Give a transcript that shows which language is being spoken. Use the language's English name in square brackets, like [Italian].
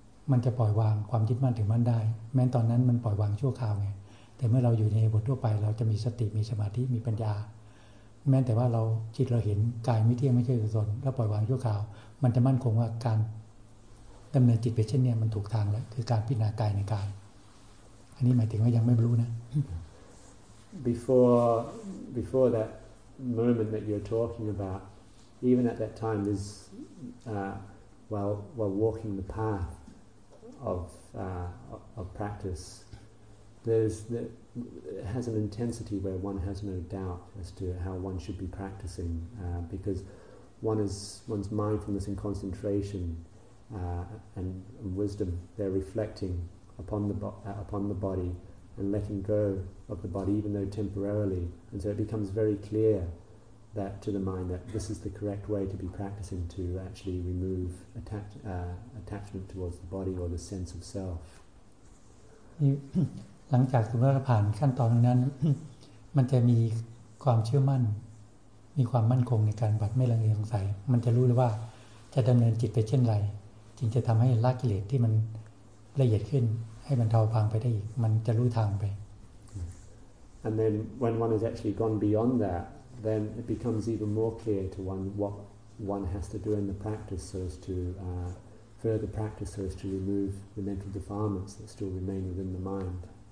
[Thai] มันจะปล่อยวางความยึดมั่นถือมั่นได้แม้ตอนนั้นมันปล่อยวางชั่วคราวไงแต่เมื่อเราอยู่ในบททั่วไปเราจะมีสติมีสมาธิมีปัญญาแม้แต่ว่าเราจิตเราเห็นกายไม่เที่ยงไม่ใช่กุศลแล้วปล่อยวางชั่วคราวมันจะมั่นคงว่าการดำเนินจิตไปเช่นนี้มันถูกทางแล้วคือการพิจารณากายในกายอันนี้หมายถึงว่ายังไม่รู้นะ [English] before that moment that you're talking about even at that time is while walking the path of practiceIt has an intensity where one has no doubt as to how one should be practicing because one's mindfulness and concentration and wisdom, they're reflecting upon the body and letting go of the body, even though temporarily. And so it becomes very clear that to the mind that this is the correct way to be practicing, to actually remove attachment towards the body or the sense of self. You... [Thai] หลังจากสมมติเราผ่านขั้นตอนนั้นมันจะมีความเชื่อมั่นมีความมั่นคงในการบัดไม่ลังเลสงสัยมันจะรู้เลยว่าจะดำเนินจิตไปเช่นไรจึงจะทำให้ละกิเลสที่มันละเอียดขึ้นให้บรรเทาบางไปได้อีกมันจะรู้ทางไป [English] And then when one has actually gone beyond that then it becomes even more clear to one what one has to do in the practice so as to further practice so as to remove the mental defilements that still remain within the mind